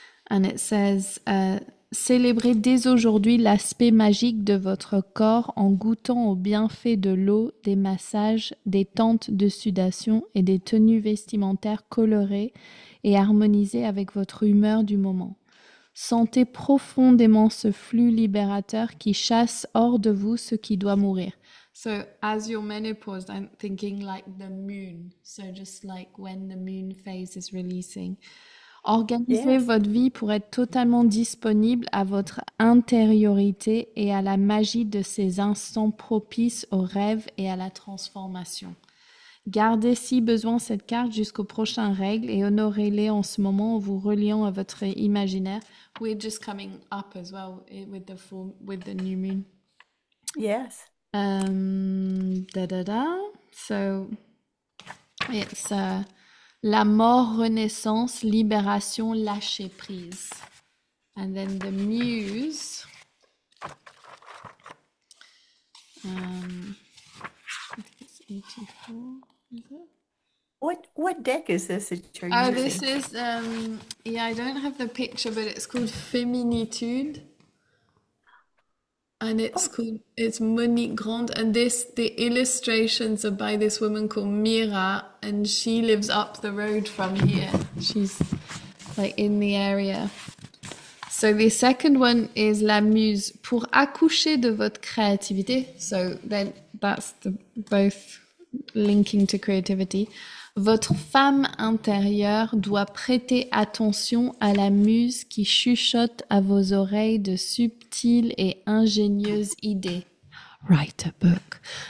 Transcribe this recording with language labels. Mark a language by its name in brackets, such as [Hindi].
[English] And it says, [French] célébrez dès aujourd'hui l'aspect magique de votre corps en goûtant aux bienfaits de l'eau, des massages, des tentes de sudation et des tenues vestimentaires colorées et harmonisées avec votre humeur du moment. Sentez profondément ce flux libérateur qui chasse hors de vous ce qui doit mourir. [English] So, as you're menopause, I'm thinking like the moon. So, just like when the moon phase is releasing. [French] Organisez [English] Yes. [French] votre vie pour être totalement disponible à votre intériorité et à la magie de ces instants propices aux rêves et à la transformation. Gardez si besoin cette carte jusqu'aux prochaines règles et honorez-les en ce moment en vous reliant à votre imaginaire. [English] We're just coming up as well with the full, with the new moon. Yes. [French] Da da da. [English] So it's [French] La mort, renaissance, libération, lâcher prise. [English] And then the muse. I think it's 84, is it? What deck is this that you're Oh, this using? is, yeah, I don't have the picture, but it's called Féminitude. And it's Monique Grand, and the illustrations are by this woman called Mira, and she lives up the road from here. She's like in the area. So the second one is [French] La Muse pour accoucher de votre créativité. [English] So then that's the both linking to creativity. [French] Votre femme intérieure doit prêter attention à la muse qui chuchote à vos oreilles de subtiles et ingénieuses idées. [English] Write a book.